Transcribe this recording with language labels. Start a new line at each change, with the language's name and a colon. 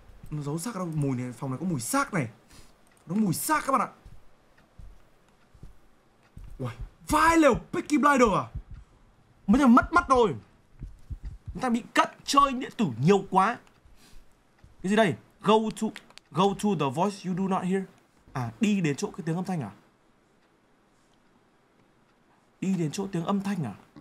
Vietnamese: Nó giấu xác ở đâu? Mùi này, phòng này có mùi xác này. Nó mùi xác các bạn ạ. Uầy, vai lều Peaky Blinder à? Mấy thằng mất mắt rồi. Chúng ta bị cận chơi điện tử nhiều quá. Cái gì đây?
English: Go to the voice you do not hear.
Vietnamese: À, đi đến chỗ cái tiếng âm thanh à? Đi đến chỗ tiếng âm thanh à?